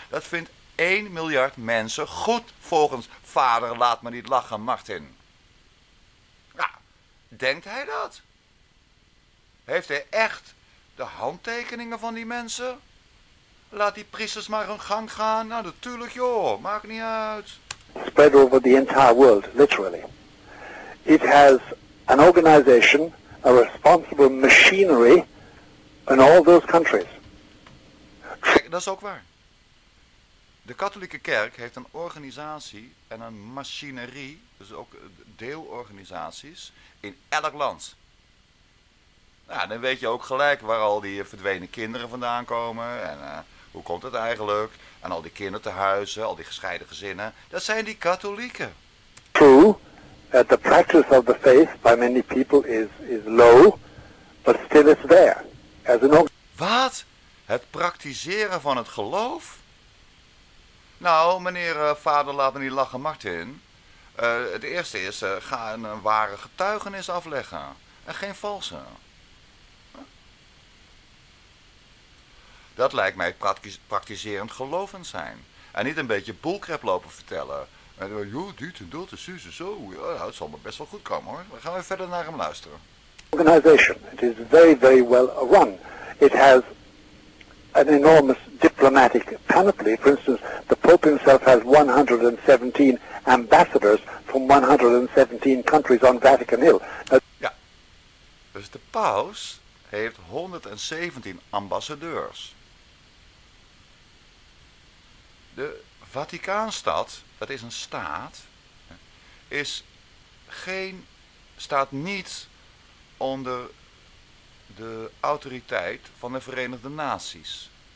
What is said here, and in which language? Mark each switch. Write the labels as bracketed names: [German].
[Dutch] Dat vindt 1 miljard mensen goed volgens vader, laat me niet lachen, Martin. Ja, denkt hij dat? Heeft hij echt de handtekeningen van die mensen? Laat die priesters maar hun gang gaan. Nou, natuurlijk joh, maakt niet uit. [English] Spread over the entire world, literally. It has an organization, a responsible machinery in all those countries. [Dutch] Kijk, dat is ook waar. De katholieke kerk heeft een organisatie en een machinerie, dus ook deelorganisaties, in elk land. Nou, dan weet je ook gelijk waar al die verdwenen kinderen vandaan komen en... Hoe komt het eigenlijk? En al die kinderthuizen, al die gescheiden gezinnen, dat zijn die katholieken. [English] True, that the practice of the faith by many people is low, but still it's there. As an... [Dutch] Wat? Het praktiseren van het geloof? Nou, meneer vader, laat me niet lachen, Martin. Het eerste is, ga een ware getuigenis afleggen en geen valse. Dat lijkt mij praktiserend gelovend zijn. En niet een beetje boelkrep lopen vertellen. En dan, joh, dit en dat, zo en zo. Ja, het zal me best wel goed komen, hoor. Dan gaan we verder naar hem luisteren. [English] Organization. It is very, very well run. It has an enormous diplomatic panoply. For instance, the Pope himself has 117 ambassadors from 117 countries on Vatican Hill. [Dutch] Ja. Dus de paus heeft 117 ambassadeurs. De Vaticaanstad, dat is een staat, is geen, staat niet onder de autoriteit van de Verenigde Naties.